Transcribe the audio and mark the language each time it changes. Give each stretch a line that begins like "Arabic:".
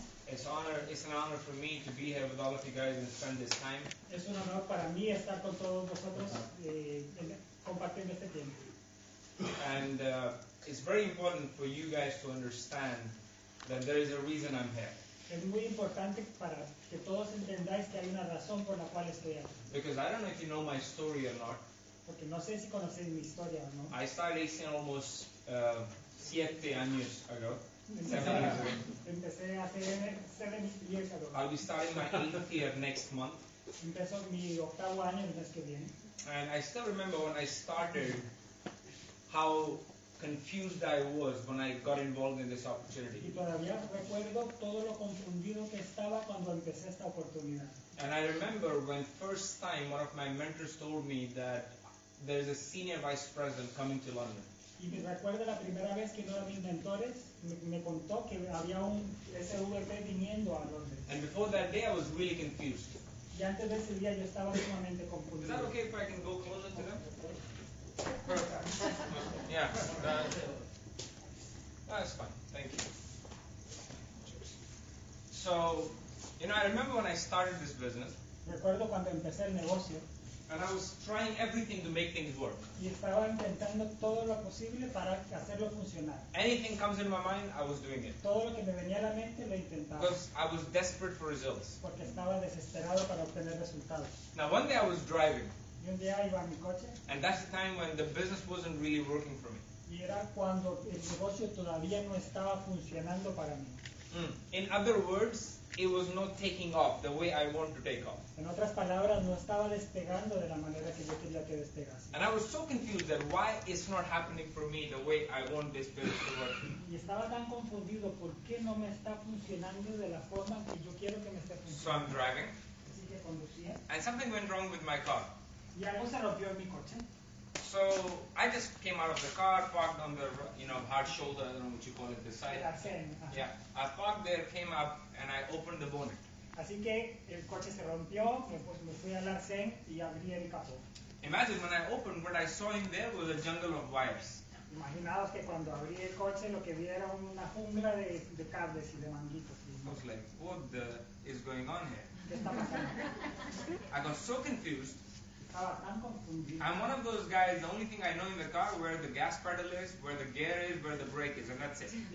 English: It's an honor for me to be here with all of you guys and spend this time.
Spanish: Es un honor para mí estar con todos vosotros compartiendo este tiempo.
English: And it's very important for you guys to understand that there is a reason I'm here.
Spanish: Es muy importante para que todos entendáis que hay una razón por la cual estoy aquí.
English: Because I don't know if you know my story or not.
Spanish: Porque no sé si conocéis mi historia o no.
English: I started acting almost 7 years ago. Seven years ago. I'll be starting my 8th year next month.
Spanish: Empezó mi octavo año el mes que viene.
English: And I still remember when I started, how confused I was when I got involved in this opportunity.
Spanish: Y todavía recuerdo todo lo confundido que estaba cuando empecé esta oportunidad.
English: And I remember when first time one of my mentors told me that there is a senior vice president coming to London.
Spanish: Y me recuerdo la primera vez que uno de mis mentores me contó que había un SVP viniendo a Londres.
English: And before that day, I was really confused.
Spanish: Y antes de ese día, yo estaba sumamente confundido.
English: Is that okay if I can go closer to them? That's fine. Thank you. So, you know, I remember when I started this business.
Spanish: Recuerdo cuando empecé el negocio.
English: And I was trying everything to make things work.
Spanish: Y estaba intentando todo lo posible para hacerlo funcionar.
English: Anything comes in my mind, I was doing it.
Spanish: Todo lo que me venía a la mente lo intentaba.
English: Because I was desperate for results.
Spanish: Porque estaba desesperado para obtener resultados.
English: Now one day I was driving.
Spanish: Y un día iba en mi coche.
English: And that's the time when the business wasn't really working for me.
Spanish: Y era cuando el negocio todavía no estaba funcionando para mí.
English: In other words, it was not taking off the way I wanted to take off.
Spanish: En otras palabras, no estaba despegando de la manera que yo quería que despegase.
English: And I was so confused that why it's not happening for me the way I want this business to work.
Spanish: Y estaba tan confundido por qué no me está funcionando de la forma que yo quiero que me esté funcionando.
English: So I'm driving.
Spanish: Así que conducía.
English: And something went wrong with my car.
Spanish: Y algo se rompió en mi coche.
English: So I just came out of the car, parked on the, you know, hard shoulder, I don't know what you call it, the side. I parked there, came up, and I opened the bonnet.
Spanish: Así que el coche se rompió, después me fui al arcén y abrí el capó.
English: Imagine when I opened, what I saw in there was a jungle of wires.
Spanish: Imaginaos que cuando abrí el coche lo que vi era una jungla de cables y de manguitos.
English: I was like, what the is going on here?
Spanish: ¿Qué está pasando?
English: I got so confused.
Spanish: Tan
English: I'm one of those guys, the only thing I know in the car, where the gas pedal is, where the gear is, where the brake is, and that's it.